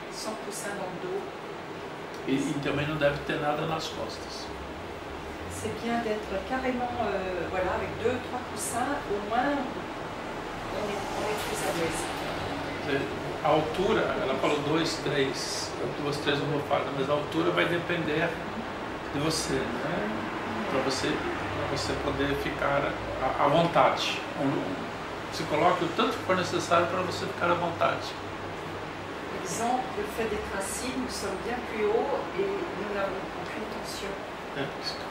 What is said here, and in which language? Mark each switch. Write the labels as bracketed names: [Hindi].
[French] Sans coussin dans le dos. [Portuguese] E também não deve ter nada nas costas. [French] C'est bien d'être carrément, voilà, avec deux, trois coussins, au moins, on est plus à l'aise. [Portuguese] A altura, ela falou 2, 3, 2, 3 almofadas, mas a altura vai depender de você, né? Para você poder ficar à vontade. Se coloque o tanto que for necessário para você ficar à vontade. Por exemplo, o fato de estar assim, nós somos bem mais altos e não temos nenhuma tensão.